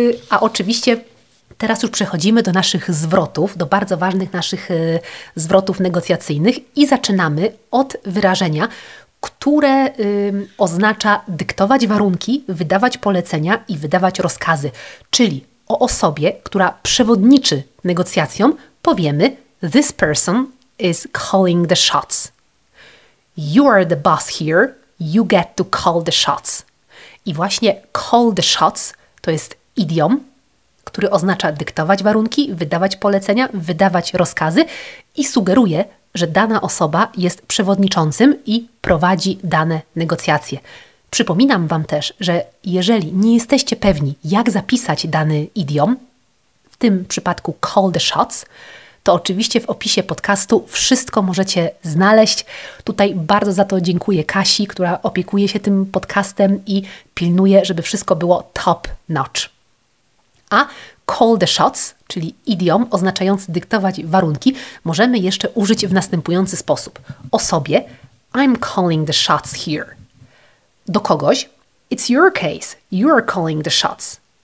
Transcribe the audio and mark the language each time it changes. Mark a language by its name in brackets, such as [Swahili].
[Polish] A oczywiście teraz już przechodzimy do naszych zwrotów, do bardzo ważnych naszych zwrotów negocjacyjnych i zaczynamy od wyrażenia, które oznacza dyktować warunki, wydawać polecenia i wydawać rozkazy. Czyli o osobie, która przewodniczy negocjacjom, powiemy [English] this person is calling the shots. You are the boss here, you get to call the shots. [Polish] I właśnie call the shots to jest idiom, który oznacza dyktować warunki, wydawać polecenia, wydawać rozkazy i sugeruje, że dana osoba jest przewodniczącym i prowadzi dane negocjacje. Przypominam Wam też, że jeżeli nie jesteście pewni, jak zapisać dany idiom, w tym przypadku call the shots, to oczywiście w opisie podcastu wszystko możecie znaleźć. Tutaj bardzo za to dziękuję Kasi, która opiekuje się tym podcastem i pilnuje, żeby wszystko było top notch. A call the shots, czyli idiom oznaczający dyktować warunki, możemy jeszcze użyć w następujący sposób. Osobie, [English] I'm calling the shots here. [Polish] Do kogoś, [English] it's your case, you're calling the shots.